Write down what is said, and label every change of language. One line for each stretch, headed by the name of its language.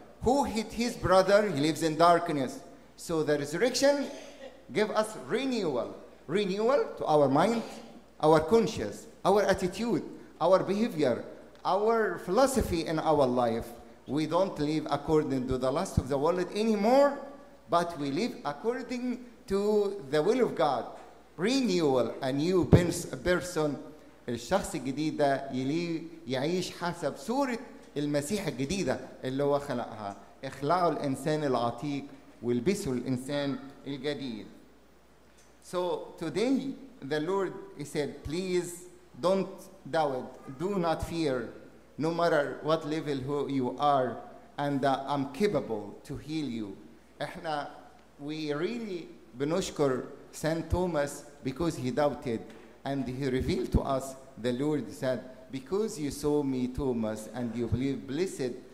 English: Who hit his brother, he lives in darkness. So the resurrection gave us renewal to our mind, our conscience, our attitude, our behavior, our philosophy in our life. We don't live according to the lust of the world anymore, but we live according to the will of God. Renewal, a new person.
Arabic: الشخص الجديد ده يعيش حسب صورة المسيح الجديدة اللي هو خلقها. اخلعوا الإنسان العتيق والبسوا الإنسان الجديد.
English: So today the Lord he said, please don't doubt, do not fear, no matter what level who you are, and I'm capable to heal you.
Arabic: احنا
English: we really
Arabic: بنشكر
English: Saint Thomas because he doubted, and he revealed to us the Lord said, because you saw me, Thomas, and you believe, blessed.